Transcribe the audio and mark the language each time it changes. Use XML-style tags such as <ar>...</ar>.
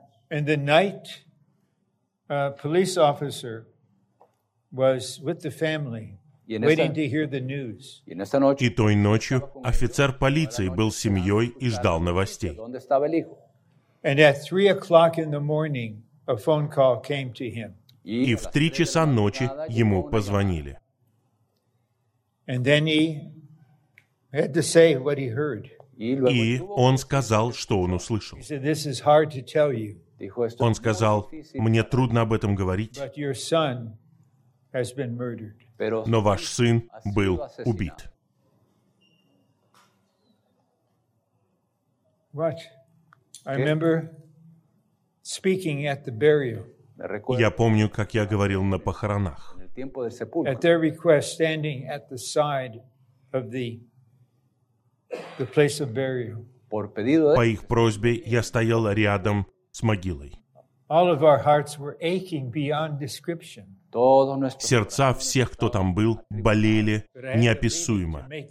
<en>And the night a police officer was with the family, waiting to hear the news.</en> <ru>И той ночью офицер полиции был с семьей и ждал новостей.</ru> <en>And at 3 o'clock in the morning, a phone call came to him.</en> <ru>И в 3 часа ночи ему позвонили.</ru> <en>And then he had to say what he heard.</en> <ru>И он сказал, что он услышал.</ru> <en>He said, "This is hard to tell you."</en> <ru>Он сказал, мне трудно об этом говорить.</ru> <en>But your son has been murdered.</en> <ru>Но ваш сын был убит.</ru> <en>What? I remember speaking at the burial.</en> <ru>Я помню, как я говорил на похоронах.</ru> <en>At their request, standing at the side of the place of burial.</en> <ru>По их просьбе я стоял рядом с могилой.</ru> <en>All of our hearts were aching beyond description.</en> <ru>Сердца всех, кто там был, болели неописуемо.</ru>